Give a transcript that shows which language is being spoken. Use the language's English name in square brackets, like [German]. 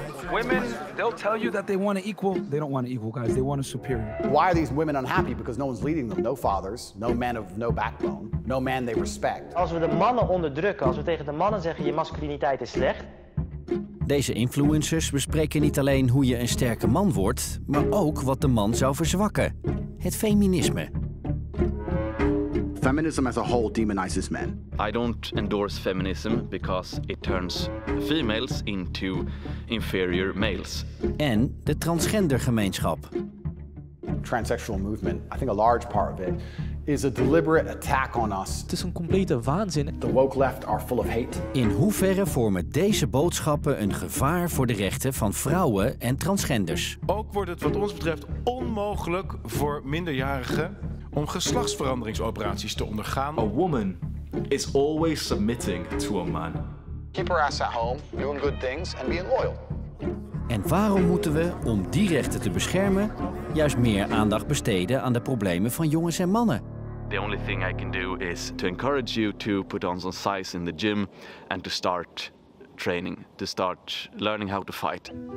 [English] Women, they'll tell you that they want an equal. They don't want an equal, guys. They want a superior. Why are these women unhappy? Because no one's leading them. No fathers, no men of no backbone, no man they respect. [Dutch] Als we de mannen onderdrukken, als we tegen de mannen zeggen je masculiniteit is slecht. Deze influencers bespreken niet alleen hoe je een sterke man wordt, maar ook wat de man zou verzwakken. Het feminisme. [English] Feminism as a whole demonizes men. I don't endorse feminism because it turns females into inferior males. [Dutch] En de transgendergemeenschap. [English] Transsexual movement, I think a large part of it is a deliberate attack on us. [Dutch] Het is een complete waanzin. [English] The woke left are full of hate. [Dutch] In hoeverre vormen deze boodschappen een gevaar voor de rechten van vrouwen en transgenders? Ook wordt het wat ons betreft onmogelijk voor minderjarigen om geslachtsveranderingsoperaties te ondergaan. [English] A woman is always submitting to a man. Keep her ass at home, doing good things and being loyal. [Dutch] En waarom moeten we, om die rechten te beschermen, juist meer aandacht besteden aan de problemen van jongens en mannen? [English] The only thing I can do is to encourage you to put on some size in the gym and to start training, to start learning how to fight.